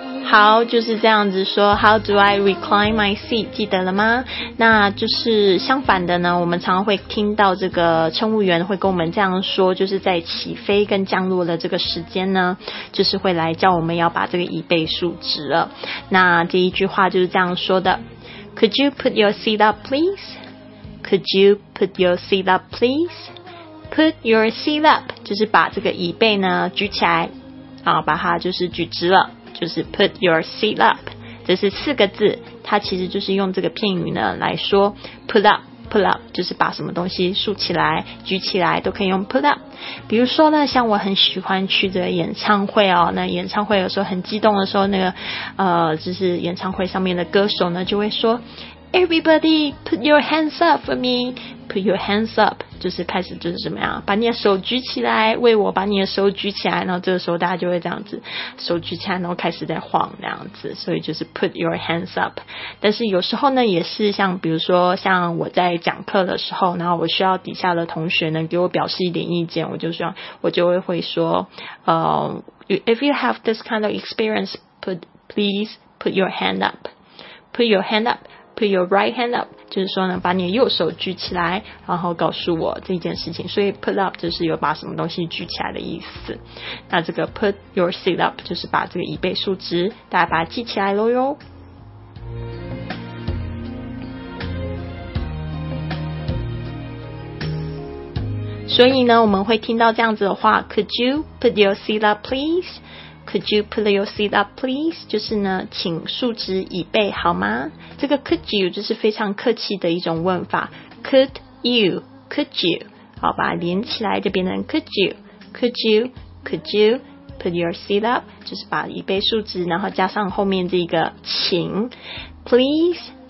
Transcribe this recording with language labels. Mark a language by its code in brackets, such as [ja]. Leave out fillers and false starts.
[zh] 好，就是这样子说 How do I recline my seat，记得了吗？那就是相反的呢，我们常常会听到这个乘务员会跟我们这样说，就是在起飞跟降落的这个时间呢，就是会来叫我们要把这个椅背竖直了。 [en] 那这一句话就是这样说的 Could you put your seat up please? Could you put your seat up please? [zh] Put your seat up 就是把这个椅背呢举起来啊，把它就是举直了，就是 put your seat up，这是四个字，它其实就是用这个片语呢来说 put up， put up 就是把什么东西竖起来举起来都可以用 put up。比如说呢像我很喜欢去这个演唱会哦，那演唱会有时候很激动的时候，那个就是演唱会上面的歌手呢就会说 [en] Everybody, put your hands up for me. [zh] Put your hands up, 就是开始就是怎么样，把你的手举起来，为我把你的手举起来，然后这个时候大家就会这样子，手举起来，然后开始在晃这样子，所以就是 put your hands up。但是有时候呢，也是像比如说像我在讲课的时候，然后我需要底下的同学呢给我表示一点意见，我就会说， if you have this kind of experience, please put your hand up, put your hand up. Put your right hand up, 就是说呢把你的右手举起来，然后告诉我这件事情。所以 put up 就是有把什么东西举起来的意思。那这个 put your seat up 就是把这个椅背竖直，大家把它记起来咯哟。 [en] 所以呢我们会听到这样子的话， Could you put your seat up please? Could you put your seat up please? [zh] 就是呢请竖直椅背好吗？这个 could you 就是非常客气的一种问法， could you, could you, 好吧，连起来就变成 could you, could you, could you put your seat up, 就是把椅背竖直，然后加上后面这个请， please,